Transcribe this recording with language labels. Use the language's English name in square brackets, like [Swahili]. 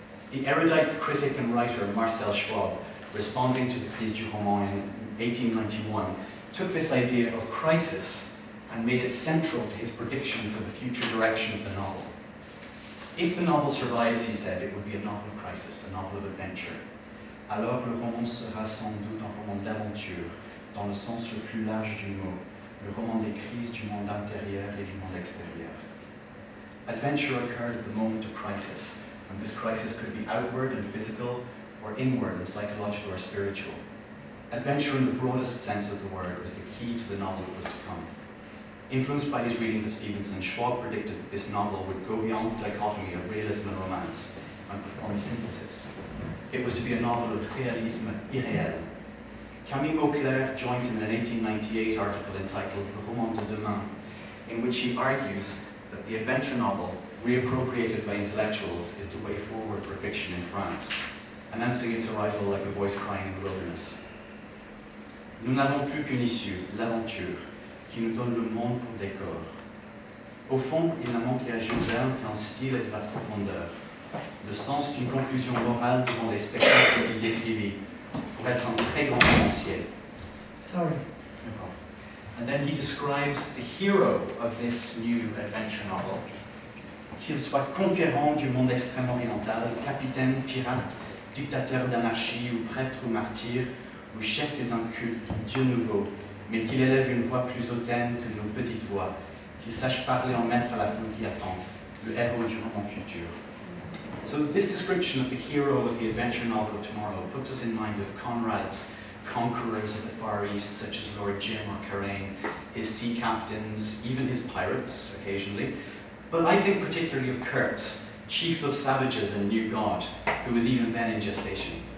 [English] The erudite critic and writer Marcel Schwab, responding to the crise du roman in 1891, took this idea of crisis and made it central to his prediction for the future direction of the novel. If the novel survives, he said, it would be a novel of crisis, a novel of adventure. [French] Alors le roman sera sans doute un roman d'aventure, dans le sens le plus large du mot. Le roman des crises du monde intérieur et du monde extérieur. [English] Adventure occurred at the moment of crisis, and this crisis could be outward and physical, or inward and psychological or spiritual. adventure in the broadest sense of the word was the key to the novel that was to come. Influenced by his readings of Stevenson, Schwab predicted that this novel would go beyond the dichotomy of realism and romance and perform a synthesis. It was to be a novel of réalisme irréel. Camille Beauclerc joined him in an 1898 article entitled Le Roman de Demain, in which he argues that the adventure novel, reappropriated by intellectuals, is the way forward for fiction in France, announcing its arrival like a voice crying in the wilderness. [French] Nous n'avons plus qu'une issue, l'aventure, qui nous donne le monde pour décor. Au fond, il n'a manqué à Jules Verne qu'un style et de la profondeur, le sens d'une conclusion morale devant les spectacles qu'il décrivit, pour être un très grand romancier. [English] Sorry. And then he describes the hero of this new adventure novel. [French] Qu'il soit conquérant du monde extrême-oriental, capitaine, pirate, dictateur d'anarchie, ou prêtre ou martyr, ou chef des incultes, Dieu nouveau, mais qu'il élève une voix plus hautaine que nos petites voix, qu'il sache parler en maître à la foule qui attend, le héros du roman futur. [English] So this description of the hero of the adventure novel of tomorrow puts us in mind of Conrad's conquerors of the Far East, such as Lord Jim or Karain, his sea captains, even his pirates, occasionally. But I think particularly of Kurtz, chief of savages and new god, who was even then in gestation.